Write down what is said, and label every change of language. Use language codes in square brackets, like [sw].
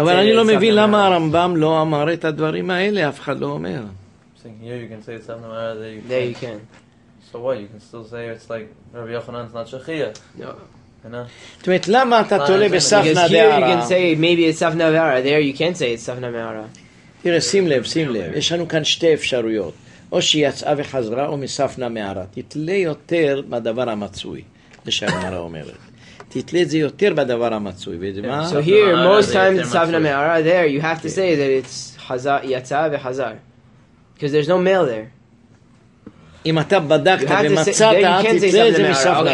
[he] אבל אני לא מבין למה הרמב״ם לא אמר את הדברים האלה, אף אחד לא אומר. [en] Here you can say it's something or other, there you can. So what, you can still say it's like Rabbi Yochanan's not שכיח. [he] זאת אומרת, למה אתה תולה בספנה דערה? [en] Because here you can say maybe it's ספנה דערה, there you can't say it's ספנה דערה. [he] תראה, שים לב, יש לנו כאן שתי אפשרויות. או שהיא יצאה וחזרה או מספנה דערה. תתלה יותר מהדבר המצוי, שהגמרא אומרת. תתלה את זה יותר בדבר המצוי. [en] So here, most times it's ספנה מערה, there you have to say that it's יצא וחזר. Because there's no male there. [he] אם אתה בדקת ומצאת, תתלה את זה מספנה מערה.